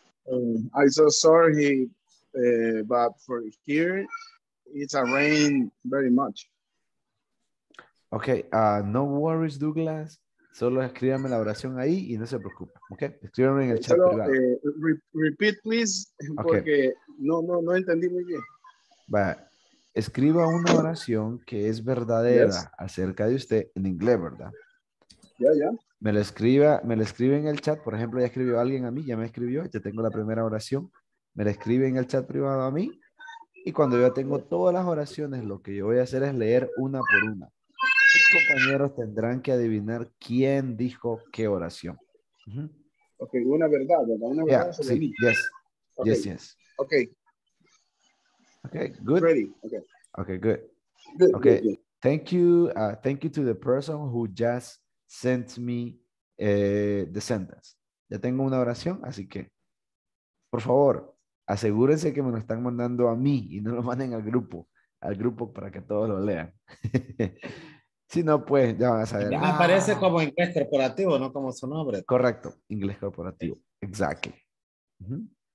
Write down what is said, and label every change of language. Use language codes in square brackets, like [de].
[en] I'm so sorry, but for here, it's a rain very much. Okay, no worries, Douglas. [es] Solo escríbame la oración ahí y no se preocupe. Okay, escríbeme en el chat. Solo, [en] repeat, please, [es] porque okay. no entendí muy bien. Vaya, escriba una oración que es verdadera, yes, acerca de usted en inglés, ¿verdad? Ya. Me la escribe en el chat. Por ejemplo, ya escribió alguien a mí, ya me escribió, ya tengo la primera oración. Me la escribe en el chat privado a mí. Y cuando yo tengo todas las oraciones, lo que yo voy a hacer es leer una por una. Sus compañeros tendrán que adivinar quién dijo qué oración. Uh-huh. Ok, una verdad, ¿verdad? Una verdad sobre, sí, mí. [en] Yes. Okay. Yes, yes. Ok. Ok, good. Ready. Okay. Okay, good. Good. Okay. Good. Thank you to the person who just sent me the sentence. [es] Ya tengo una oración, así que por favor, asegúrense que me lo están mandando a mí y no lo manden al grupo para que todos lo lean. Si no, pues ya van a saber. Ya aparece como inglés corporativo, no como su nombre. Correcto, inglés corporativo. Exactly. Uh-huh.